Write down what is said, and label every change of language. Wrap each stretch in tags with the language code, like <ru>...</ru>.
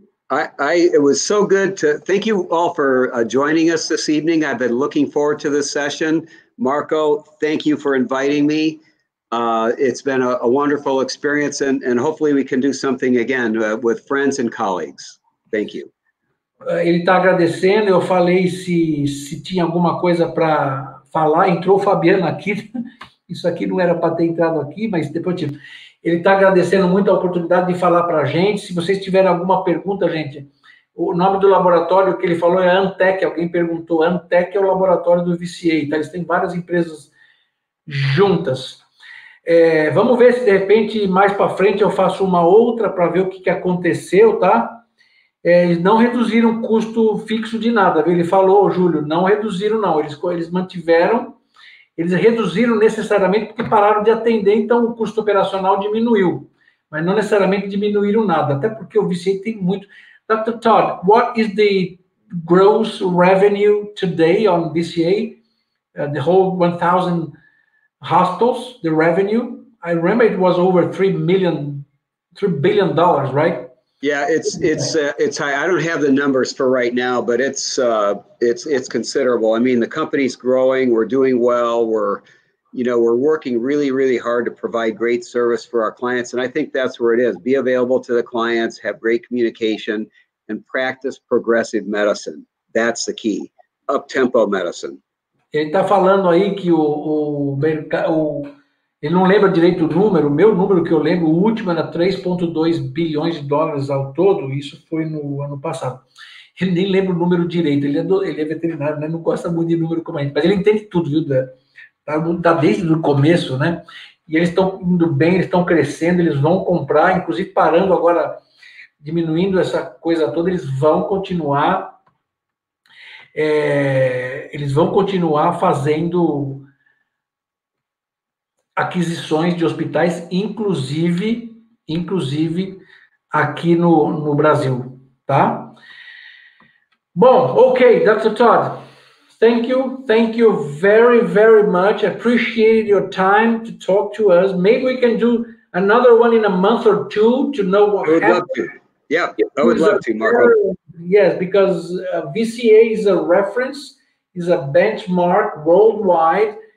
<en>It was so good to thank you all for joining us this evening. I've been looking forward to this session. Marco, thank you for inviting me. It's been a wonderful experience, and hopefully we can do something again with friends and colleagues. Thank you.</en> <pt>Ele está agradecendo, eu falei se tinha alguma coisa para falar, entrou o Fabiano aqui, isso aqui não era para ter entrado aqui, mas depois tive. Ele está agradecendo muito a oportunidade de falar para a gente, se vocês tiverem alguma pergunta, gente, o nome do laboratório que ele falou é Antec, alguém perguntou, Antec é o laboratório do VCA, tá? Eles têm várias empresas juntas. Vamos ver se de repente, mais para frente, eu faço uma outra para ver o que aconteceu, tá? Eles não reduziram o custo fixo de nada, viu? Ele falou, Júlio, não reduziram, não. Eles mantiveram, eles reduziram necessariamente porque pararam de atender, então o custo operacional diminuiu. Mas não necessariamente diminuíram nada, até porque o Vicente tem muito...</pt> <en>Dr. Todd, what is the gross revenue today on VCA? The whole 1,000 hospitals, the revenue? I remember it was over $3 billion, right? Yeah, it's high. I don't have the numbers for right now, but it's considerable. I mean, the company's growing, we're doing well, we're working really, really hard to provide great service for our clients, and I think that's where it is. Be available to the clients, have great communication, and practice progressive medicine. That's the key. Up-tempo medicine.</en> <pt>Ele está falando aí que ele não lembra direito o número, o meu número que eu lembro, o último era 3,2 bilhões de dólares ao todo, isso foi no ano passado. Ele nem lembra o número direito, ele é veterinário, né? Não gosta muito de número como a gente, mas ele entende tudo, viu? Tá desde o começo, né? E eles estão indo bem, eles estão crescendo, eles vão comprar, inclusive parando agora, diminuindo essa coisa toda, eles vão continuar, eles vão continuar fazendo aquisições de hospitais, inclusive aqui no Brasil, tá? Bom, ok, Dr. Todd,</pt> <en>Thank you very, very much. I appreciate your time to talk to us. Maybe we can do another one in a month or two to know what happened. I would love to, Marco. Yes, because VCA is a reference, is a benchmark worldwide.</en>